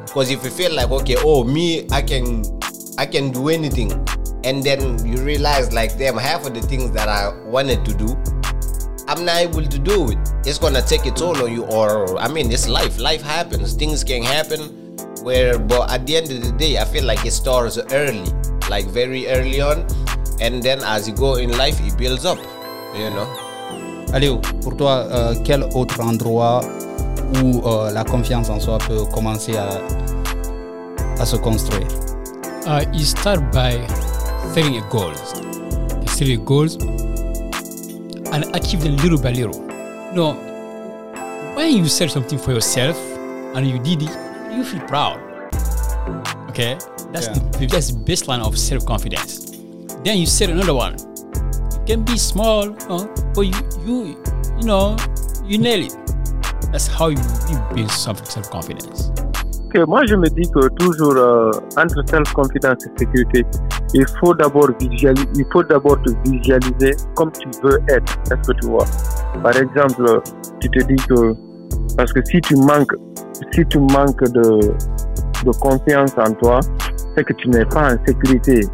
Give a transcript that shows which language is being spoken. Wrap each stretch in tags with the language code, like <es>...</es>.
<en>Because if you feel like, okay, I can do anything, and then you realize like damn, half of the things that I wanted to do, I'm not able to do it. It's gonna take a toll on you. It's life. Life happens. Things can happen. But at the end of the day, I feel like it starts early, like very early on. And then as you go in life, it builds up, you know.</en> <fr>Aliou, pour toi, quel autre endroit où la confiance en soi peut commencer à se construire?</fr> <en>You start by setting a goal. You set your goals and achieve them little by little. Now, when you set something for yourself and you did it, you feel proud. Okay? That's the baseline of self-confidence. Then you set another one. It can be small, but you nail it. That's how you build self-confidence.</en> <fr>Okay, moi je me dis que toujours entre self-confidence et sécurité, il faut d'abord visualiser comme tu veux être. Est-ce que tu vois? Par exemple, tu te dis que parce que si tu manques de confiance en toi, c'est que tu n'es pas en sécurité.</fr>